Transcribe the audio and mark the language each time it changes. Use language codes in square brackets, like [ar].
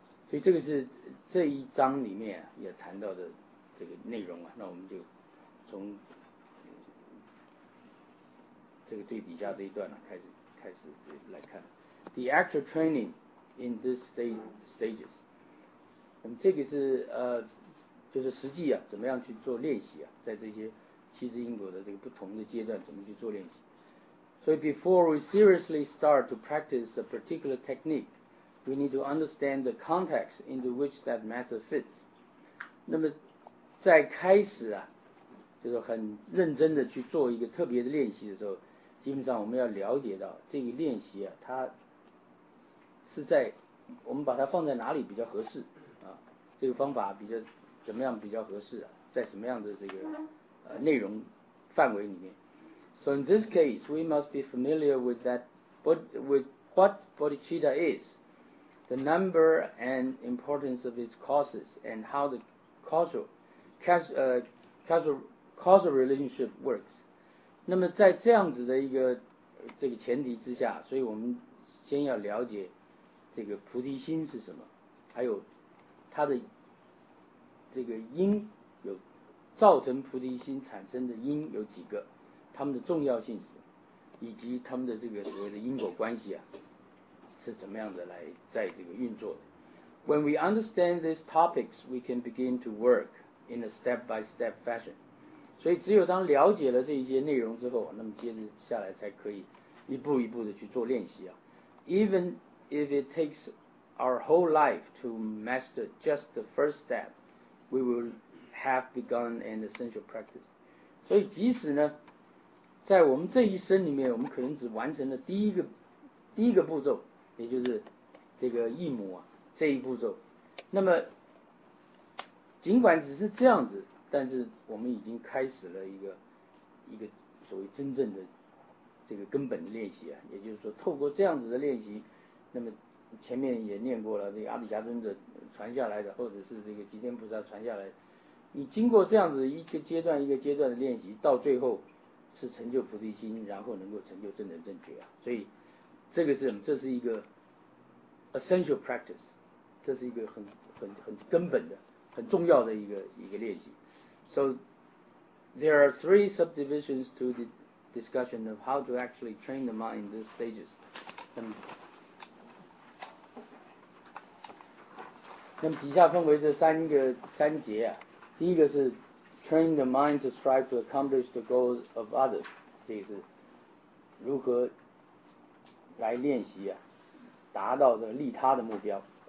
[zh] 所以这个是这一章里面、啊、也谈到的这个内容啊，那我们就从这个最底下这一段、啊、开始来看 [en] the actual training in this stages。 [zh] 那么这个是就是实际啊怎么样去做练习啊，在这些七支因果的这个不同的阶段怎么去做练习。所以 [en] before we seriously start to practice a particular techniqueWe need to understand the context into which that method fits. [zh] 那么在开始啊，就是很认真的去做一个特别的练习的时候，基本上我们要了解到这个练习啊，它是在我们把它放在哪里比较合适啊，这个方法比较怎么样比较合适啊，在什么样的这个内容范围里面。 [en] So in this case, we must be familiar with that, with what bodhicitta is. The number and importance of its causes and how the causal relationship works. [zh] 那么在这样子的一个这个前提之下，所以我们先要了解这个菩提心是什么，还有它的这个因，有造成菩提心产生的因有几个，它们的重要性是，以及它们的这个所谓的因果关系啊。是怎么样的来在这个运作的。 [en] When we understand these topics, we can begin to work in a step-by-step fashion. [zh] 所以只有当了解了这些内容之后，那么接着下来才可以一步一步的去做练习啊。 [en] Even if it takes our whole life to master just the first step, we will have begun an essential practice. [zh] 所以即使呢，在我们这一生里面，我们可能只完成了第一个步骤，也就是这个义母啊这一步骤，那么尽管只是这样子，但是我们已经开始了一个所谓真正的这个根本的练习啊，也就是说透过这样子的练习，那么前面也念过了，这个阿底峡尊者传下来的，或者是这个吉天菩萨传下来，你经过这样子一个阶段一个阶段的练习，到最后是成就菩提心，然后能够成就正等正觉啊，所以这是一个 essential practice， 这是一个很根本的很重要的一个练习。 [en] So there are three subdivisions to the discussion of how to actually train the mind in these stages. [zh] 那么底下分为这三节啊，第一个是 [en] train the mind to strive to accomplish the goals of others， [zh] 这个是如何来练习啊，达到的利他的目标。